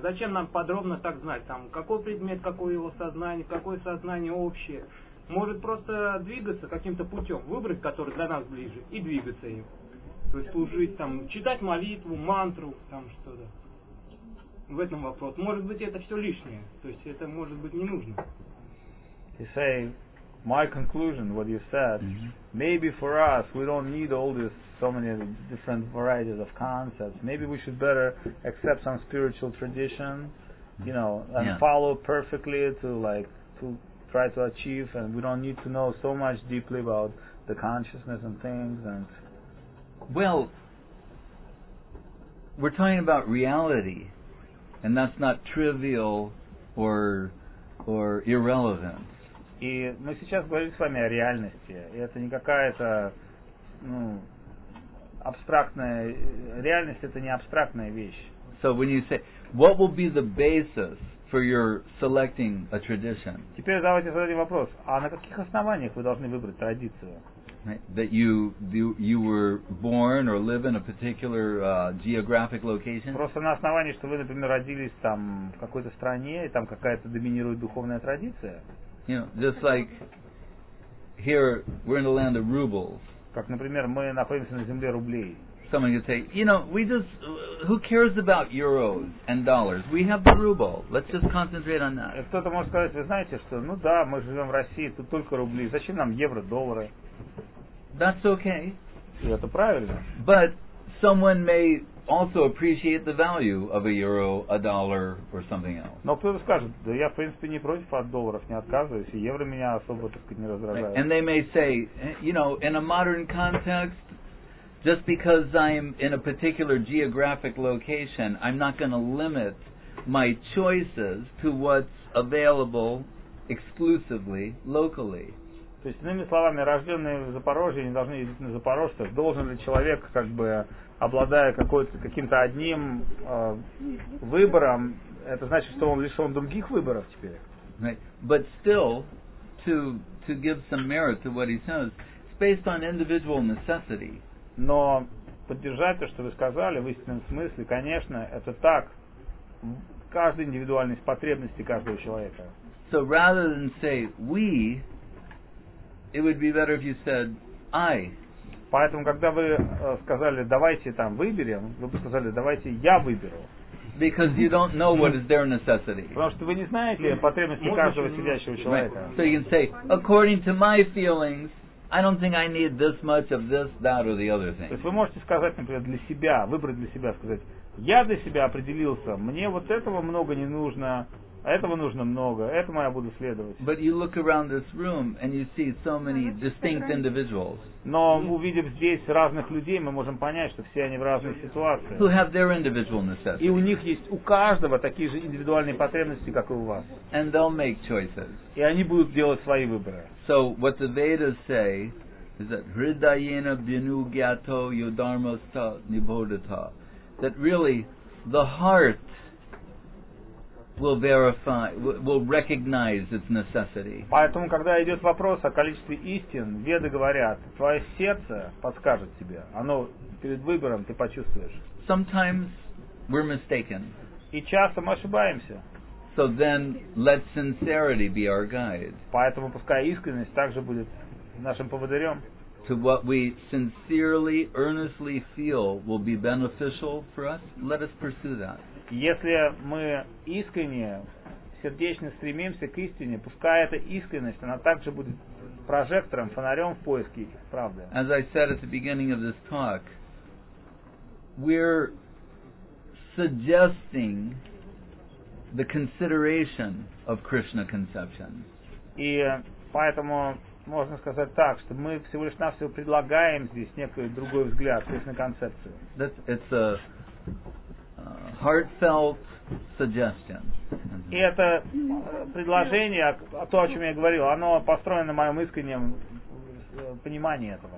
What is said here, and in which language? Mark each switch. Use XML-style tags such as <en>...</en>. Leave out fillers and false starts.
<ru>Зачем нам подробно так знать, там, какой предмет, какое его сознание, какое сознание общее. Может просто двигаться каким-то путем, выбрать, который для нас ближе, и двигаться им. То есть служить, там, читать молитву, мантру, там что-то. В этом вопрос. Может быть, это все лишнее. То есть это может быть не нужно.</ru> <en>You say, my conclusion, what you said, maybe for us, we don't need all this, so many different varieties of concepts. Maybe we should better accept some spiritual tradition, you know, and follow perfectly to, like, to try to achieve, and we don't need to know so much deeply about the consciousness and things. And well, we're talking about reality. And that's not trivial or irrelevant.</en> <ru>И мы сейчас говорим с вами о реальности. И это не какая-то, ну, абстрактная реальность, это не абстрактная вещь.</ru> <en>So when you say, what will be the basis for your selecting a tradition?</en> <ru>Теперь давайте зададим вопрос, а на каких основаниях вы должны выбрать традицию?</ru> <en>That you were born or live in a particular geographic location.</en> <ru>Просто на основании, что вы, например, родились там в какой-то стране и там какая-то доминирует духовная традиция.</ru> <en>You know, just like here we're in the land of rubles.</en> <ru>Как, например, мы находимся на земле рублей.</ru> <en>Someone could say, you know, we just, who cares about euros and dollars? We have the ruble. Let's just concentrate on that.</en> <ru>Кто-то может сказать, вы знаете, что, ну да, мы живем в России, тут только рубли. Зачем нам евро, доллары?</ru> <en>That's okay.</en> <ru>И это правильно.</ru> <en>But someone may also appreciate the value of a euro, a dollar, or something else.</en> <ru>Но кто-то скажет, да я, в принципе, не против от долларов, не отказываюсь, и евро меня особо, так сказать, не раздражает.</ru> <en>And they may say, you know, in a modern context, just because I'm in a particular geographic location, I'm not going to limit my choices to what's available exclusively locally.</en> <ru>То есть, иными словами, рожденные в Запорожье не должны ездить на Запорожье. Должен ли человек, как бы, обладая какой-то, каким-то одним выбором, это значит, что он лишен других выборов теперь?</ru> <en>Right. But still, to give some merit to what he says, it's based on individual necessity.</en> <ru>Но поддержать то, что вы сказали, в истинном смысле, конечно, это так. Каждый индивидуальность потребности каждого человека.</ru> <en>So rather than say we, it would be better if you said I.</en> <ru>Поэтому, когда вы сказали давайте там выберем, вы бы сказали давайте я выберу.</ru> <en>Because you don't know what is their necessity.</en> <ru>Потому что вы не знаете потребности каждого сидящего человека.</ru> <en>So you can say, according to my feelings, I don't think I need this much of this, that, or the other thing.</en> <ru>То есть вы можете сказать, например, для себя, выбрать для себя, сказать, я для себя определился, мне вот этого много не нужно, а этого нужно много, этому я буду следовать.</ru> <en>But you look around this room and you see so many distinct individuals.</en> <ru>Но увидев здесь разных людей, мы можем понять, что все они в разных ситуациях.</ru> <en>Who have their individual necessities.</en> <ru>И у них есть, у каждого такие же индивидуальные потребности, как и у вас.</ru> <en>And they'll make choices.</en> <ru>И они будут делать свои выборы.</ru> <en>So what the Vedas say is that</en> <sa>Hridayena Vinu Gyato Yodharmasta Nibodhata.</sa> <en>That really, the heart will verify, will recognize its necessity.</en> <ru>Поэтому, когда идет вопрос о количестве истин, веды говорят, твое сердце подскажет тебе, оно перед выбором ты почувствуешь.</ru> <en>Sometimes we're mistaken.</en> <ru>И часто мы ошибаемся.</ru> <en>So then, let sincerity be our guide.</en> <ru>Поэтому пускай искренность также будет нашим поводырем.</ru> <en>To what we sincerely, earnestly feel will be beneficial for us, let us pursue that.</en> <ru>Если мы искренне, сердечно стремимся к истине, пускай эта искренность, она также будет прожектором, фонарем в поиске правды.</ru> <en>As I said at the beginning of this talk, we're suggesting the consideration of Krishna conception.</en> <ru>И поэтому можно сказать так, что мы всего лишь навсего предлагаем здесь некий другой взгляд, Кришна концепцию.</ru> <en>It's a heartfelt suggestion.</en> <ru>И это предложение, то, о чем я говорил, оно построено на моем искреннем понимании этого.</ru>